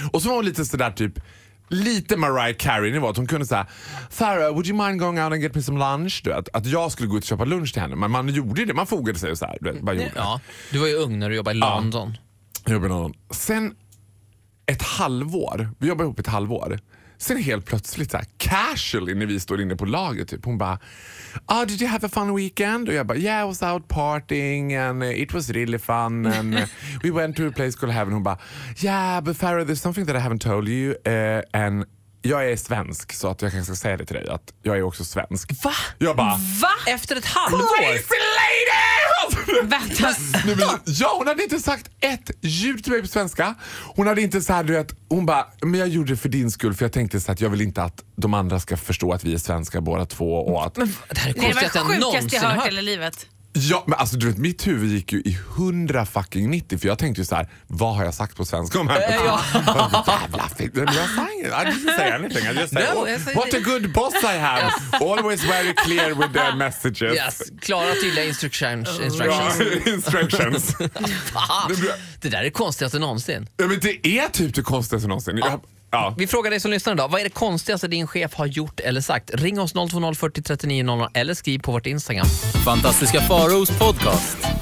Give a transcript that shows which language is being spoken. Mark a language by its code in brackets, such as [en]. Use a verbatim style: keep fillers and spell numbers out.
[sv] Och så var hon lite så där typ lite Mariah Carey nivå, att hon kunde säga, Farah, [en] would you mind going out and get me some lunch? [sv] Du, att, att jag skulle gå ut och köpa lunch till henne, men man gjorde det, man fogade sig så här, du vet, bara gjorde. Ja, du var ju ung när du jobbade i London. Ja, jobbade i London. Sen ett halvår, vi jobbade ihop ett halvår. Sen helt plötsligt så här casual när vi står inne på laget typ. Hon bara, [en] ah, did you have a fun weekend? [sv] Och jag bara, [en] yeah, I was out partying and it was really fun and we went to a place called Heaven. [sv] Hon bara, [en] yeah, but Farah, there's something that I haven't told you uh, [sv] and jag är svensk, så att jag kanske ska säga det till dig att jag är också svensk. Va? Jag bara, va? Efter ett halvår? [en] Crazy lady! [sv] Vänta. Nej, men, ja, hon hade inte sagt ett ljud till mig på svenska. Hon hade inte så här, du vet, hon bara, men jag gjorde det för din skull, för jag tänkte så att jag vill inte att de andra ska förstå att vi är svenska båda två och att... Men det här är konstigt att jag någonsin jag hört hela livet. Ja, men alltså du vet, mitt huvud gick ju i hundra fucking nittio, för jag tänkte ju så här, vad har jag sagt på svenska om här? Äh, ja. Jävla fick, jag sa inget, [en] I didn't say anything, I just said, no, oh, what a good boss I have, always very clear with their messages. [sv] Yes, klara tydliga instructions. Instructions. Ja, instructions. Det där är konstigaste någonsin. Ja, men det är typ det konstigaste någonsin. Jag, ja. Vi frågar dig som lyssnar idag, vad är det konstigaste din chef har gjort eller sagt? Ring oss noll två noll fyrtio trettionio noll noll eller skriv på vårt Instagram. Fantastiska Faros podcast.